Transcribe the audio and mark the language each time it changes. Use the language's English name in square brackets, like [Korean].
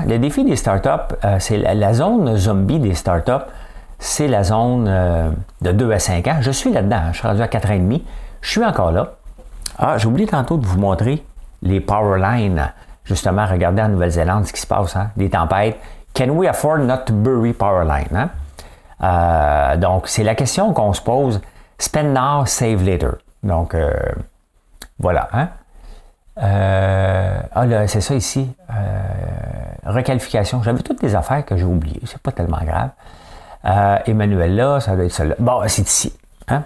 [French] Le défi des startups, c'est la zone zombie des startups. C'est la zone de 2 à 5 ans. Je suis là-dedans. Je suis rendu à 4 ans et demi. Je suis encore là. Ah, j'ai oublié tantôt de vous montrer les power lines. Justement, regardez en Nouvelle-Zélande ce qui se passe, hein? Des tempêtes. [English] Can we afford not to bury power line? [French] Hein? Donc, c'est la question qu'on se pose. [English] Spend now, save later. [French] Donc, voilà. Hein? Ah là, c'est ça ici. Requalification. J'avais toutes des affaires que j'ai oubliées. C'est pas tellement grave. Emmanuel là, ça doit être ça là. Bon, c'est ici. Hein?